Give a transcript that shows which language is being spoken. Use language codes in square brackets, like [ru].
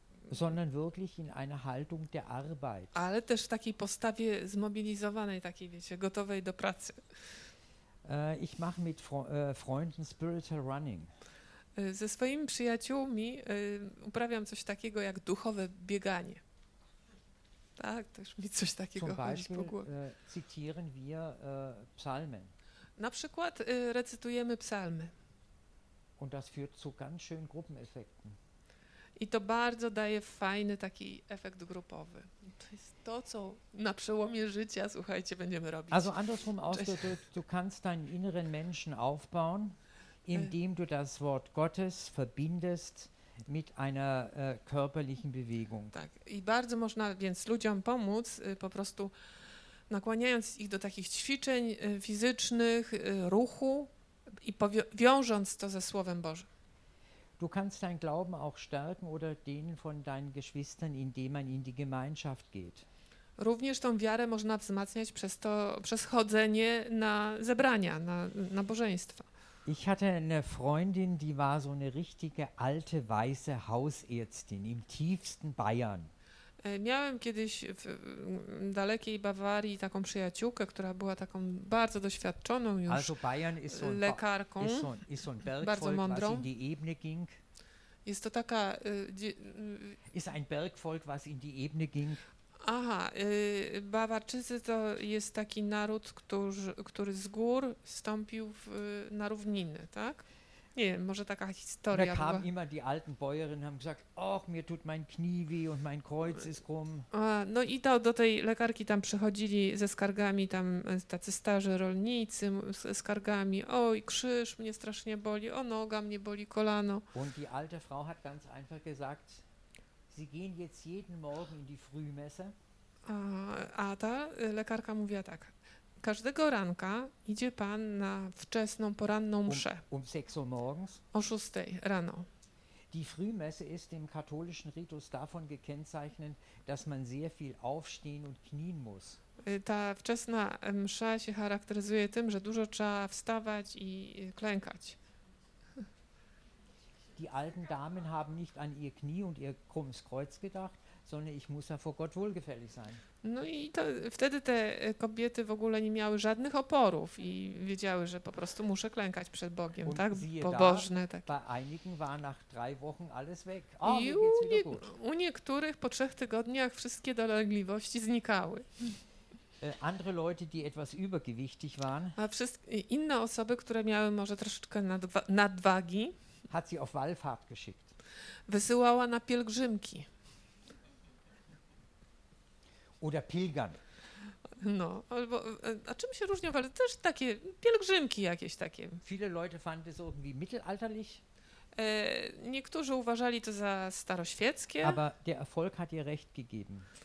[de] sondern wirklich in einer Haltung der Arbeit. [pl] Ale też w takiej postawie zmobilizowanej, takiej, wiecie, gotowej do pracy. [de] Ich mache mit Freunden [en] spiritual running. [pl] Ze swoimi przyjaciółmi uprawiam coś takiego jak duchowe bieganie. Tak, też mi coś takiego chodzi po głowie. [de] Zitieren wir Psalmen. [pl] Na przykład recytujemy psalmy. [de] Und das führt zu ganz schön Gruppeneffekten. [pl] I to bardzo daje fajny taki efekt grupowy. To jest to, co na przełomie życia, słuchajcie, będziemy robić. [de] Also andersrum ausgedrückt, du kannst deinen inneren Menschen aufbauen, indem du das Wort Gottes verbindest mit einer körperlichen Bewegung. [pl] Tak, i bardzo można więc ludziom pomóc, po prostu nakłaniając ich do takich ćwiczeń fizycznych, ruchu i wiążąc to ze Słowem Bożym. [de] Du kannst deinen Glauben auch stärken oder den von deinen Geschwistern, indem man in die Gemeinschaft geht. [pl] Również tą wiarę można wzmacniać przez chodzenie na zebrania, na nabożeństwa. [de] Ich hatte eine Freundin, die war so eine richtige alte weiße Hausärztin im tiefsten Bayern. [pl] Miałem kiedyś w dalekiej Bawarii taką przyjaciółkę, która była taką bardzo doświadczoną już [de] also Bayern ist so [pl] lekarką, [de] ist so ein Bergvolk, [pl] bardzo mądrą. [de] Was in die Ebene ging. [pl] Jest to taka... [de] ist ein Bergvolk, was in die Ebene ging. [pl] Aha, Bawarczycy to jest taki naród, który z gór wstąpił na równiny, tak? Nie, może taka historia. [de] Da kamen immer die alten Bäuerinnen haben gesagt, ach, mir tut mein Knie weh und mein Kreuz ist krumm. [pl] No i do tej lekarki tam przychodzili ze skargami, tam tacy starzy rolnicy ze skargami, oj, krzyż mnie strasznie boli, o, noga mnie boli, kolano. [de] Und die alte Frau hat ganz einfach gesagt, sie gehen jetzt jeden Morgen in die Frühmesse. [pl] A ta lekarka mówiła tak. Każdego ranka idzie pan na wczesną poranną mszę. [de] Um 6 Uhr morgens. [pl] O 6 rano. [de] Die Frühmesse ist im katholischen Ritus davon gekennzeichnet, dass man sehr viel aufstehen und knien muss. [pl] Ta wczesna msza się charakteryzuje tym, że dużo trzeba wstawać i klękać. [de] Die alten Damen haben nicht an ihr Knie und ihr krummes Kreuz gedacht, sondern ich muss ja vor Gott wohlgefällig sein. [pl] No i to, wtedy te kobiety w ogóle nie miały żadnych oporów i wiedziały, że po prostu muszę klękać przed Bogiem, [de] und [pl] tak? Pobożne [de] da, [pl] takie. [de] Bei einigen war nach drei Wochen alles weg. [pl] Oh, i u niektórych po 3 tygodniach wszystkie dolegliwości znikały. [de] Andere Leute, die etwas übergewichtig waren. [pl] A inne osoby, które miały może troszeczkę nadwagi. [de] Hat sie auf Wallfahrt geschickt. [pl] Wysyłała na pielgrzymki. [de] Oder pilgern. [pl] No, albo, a czym się różnią? Ale też takie pielgrzymki jakieś takie. [de] Viele Leute fanden es irgendwie mittelalterlich. [pl] Niektórzy uważali to za staroświeckie. [de] Aber der Erfolg hat ihr recht gegeben.